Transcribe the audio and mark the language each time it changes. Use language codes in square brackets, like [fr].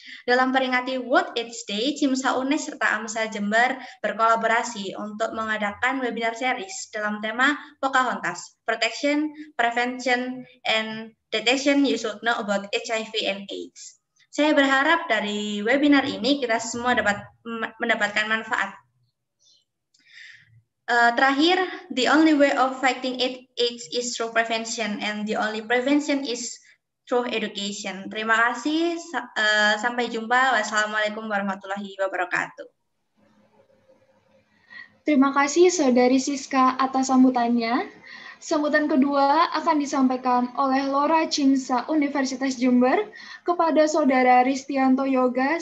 [id] Dalam peringati World AIDS Day, Cimsa UNED serta AMSA Jember berkolaborasi untuk mengadakan webinar series dalam tema Pocahontas, Protection, Prevention, and Detection You Should Know About HIV and AIDS. Saya berharap dari webinar ini kita semua dapat mendapatkan manfaat. Terakhir, [en] the only way of fighting AIDS is through prevention, and the only prevention is through education. [id] Terima kasih, sampai jumpa. Wassalamualaikum warahmatullahi wabarakatuh. Terima kasih, Saudari Siska, atas sambutannya. Sambutan kedua akan disampaikan oleh Lora Cimsa Universitas Jember kepada Saudara Ristianto Yoga.